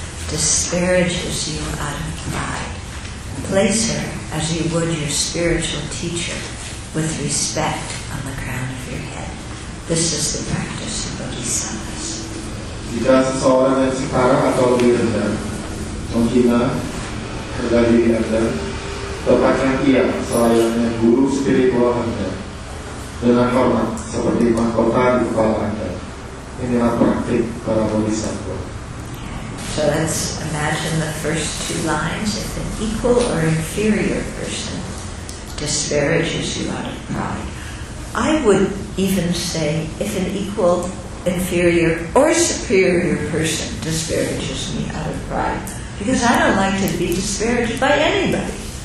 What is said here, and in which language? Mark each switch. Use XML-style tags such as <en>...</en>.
<en>Disparages you out of pride, place her as you would your spiritual teacher with respect on the crown of your head. This is the practice of Bodhisattvas.</en> <id>Jika seseorang yang sekarang atau lebih rendah menghina harga diri Anda, tepatnya ia selayaknya guru spiritual Anda dengan hormat seperti mahkota di kepala Anda. Inilah praktik para Bodhisattva.</id> <en>So let's imagine the first two lines. If an equal or inferior person disparages you out of pride, I would even say if an equal, inferior, or superior person disparages me out of pride, because I don't like to be disparaged by anybody.</en>